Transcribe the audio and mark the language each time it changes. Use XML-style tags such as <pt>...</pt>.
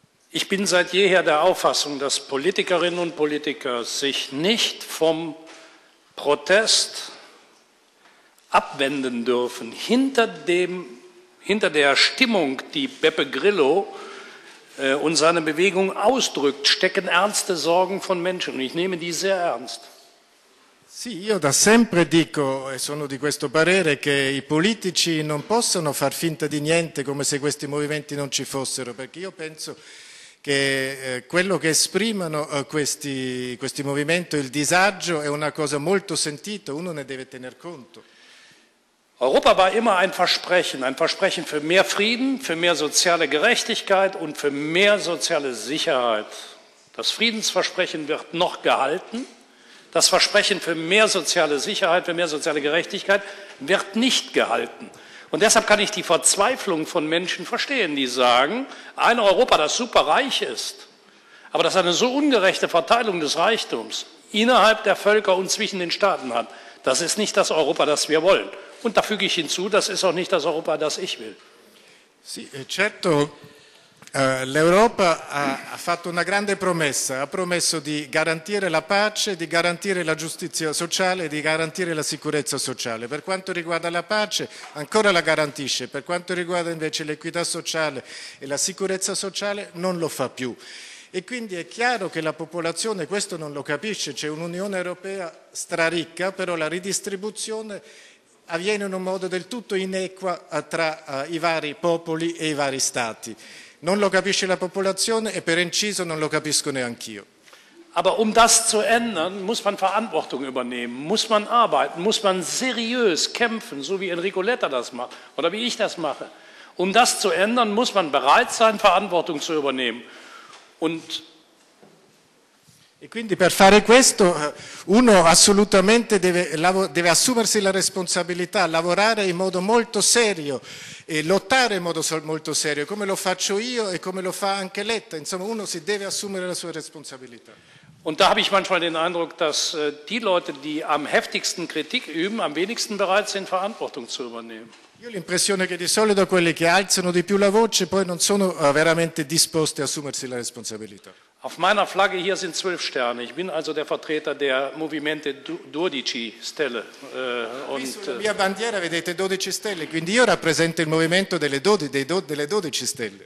<de>Ich bin seit jeher der Auffassung, dass Politikerinnen und Politiker sich nicht vom Protest abwenden dürfen. Hinter der Stimmung, die Beppe Grillo und seine Bewegung ausdrückt, stecken ernste Sorgen von Menschen. Und ich nehme die sehr ernst.</de> <it>Sì, io da sempre dico, e sono di questo parere, che i politici non possono far finta di niente come se questi movimenti non ci fossero, perché io penso che quello che esprimono questi movimenti, il disagio, è una cosa molto sentita, uno ne deve tener conto.</it> <de>Europa war immer ein Versprechen für mehr Frieden, für mehr soziale Gerechtigkeit und für mehr soziale Sicherheit. Das Friedensversprechen wird noch gehalten. Das Versprechen für mehr soziale Sicherheit, für mehr soziale Gerechtigkeit wird nicht gehalten. Und deshalb kann ich die Verzweiflung von Menschen verstehen, die sagen, ein Europa, das superreich ist, aber das eine so ungerechte Verteilung des Reichtums innerhalb der Völker und zwischen den Staaten hat, das ist nicht das Europa, das wir wollen. Und da füge ich hinzu, das ist auch nicht das Europa, das ich will.</de> <it>Sì, certo. L'Europa ha fatto una grande promessa, ha promesso di garantire la pace, di garantire la giustizia sociale, di garantire la sicurezza sociale. Per quanto riguarda la pace ancora la garantisce, per quanto riguarda invece l'equità sociale e la sicurezza sociale non lo fa più. E quindi è chiaro che la popolazione questo non lo capisce, c'è un'Unione Europea straricca, però la ridistribuzione avviene in un modo del tutto inequa tra i vari popoli e i vari stati. Non lo capisce la popolazione e per inciso non lo capisco neanch'io.</it> <de>Aber das zu ändern, muss man Verantwortung übernehmen, muss man arbeiten, muss man seriös kämpfen, so wie Enrico Letta das macht oder wie ich das mache. Das zu ändern, muss man bereit sein, Verantwortung zu übernehmen.</de> <it>E quindi per fare questo uno assolutamente deve assumersi la responsabilità, lavorare in modo molto serio e lottare in modo molto serio, come lo faccio io e come lo fa anche Letta, insomma uno si deve assumere la sua responsabilità.</it> <de>Und da habe ich manchmal den Eindruck, dass die Leute, die am heftigsten Kritik üben, am wenigsten bereit sind, Verantwortung zu übernehmen.</de> <it>Io ho l'impressione che di solito quelli che alzano di più la voce poi non sono veramente disposti a assumersi la responsabilità.</it> <de>Auf meiner Flagge hier sind 12 Sterne. Ich bin also der Vertreter der Movimento 12 Stelle.</de> <it>Sulla mia bandiera vedete 12 Stelle, quindi io rappresento il movimento delle 12 Stelle.</it>